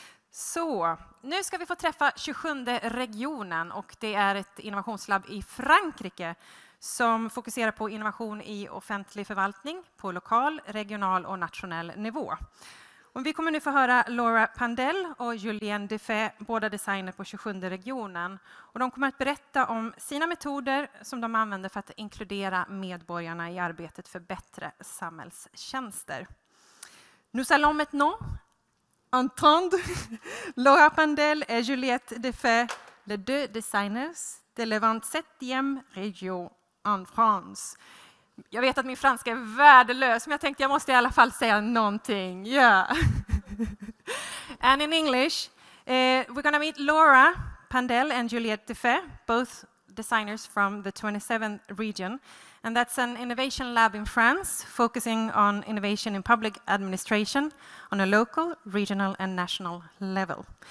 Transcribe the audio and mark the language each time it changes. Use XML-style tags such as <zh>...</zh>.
<sv>Så, nu ska vi få träffa 27:e regionen, och det är ett innovationslabb i Frankrike som fokuserar på innovation i offentlig förvaltning på lokal, regional och nationell nivå. Och vi kommer nu få höra Laura Pandell och Julien Defay, båda designer på 27:e regionen. Och de kommer att berätta om sina metoder som de använder för att inkludera medborgarna i arbetet för bättre samhällstjänster.</sv> <fr>Nous allons maintenant entendre Laura Pandell et Juliette Defay, les deux designers de la 27e région en France.</fr> <sv>Jag vet att min franska är värdelös, men jag tänkte jag måste i alla fall säga någonting.</sv> <en>Yeah. And in English, we're going to meet Laura Pandell and Juliette Defay, both designers from the 27th region. And that's an innovation lab in France focusing on innovation in public administration on a local, regional and national level.</en>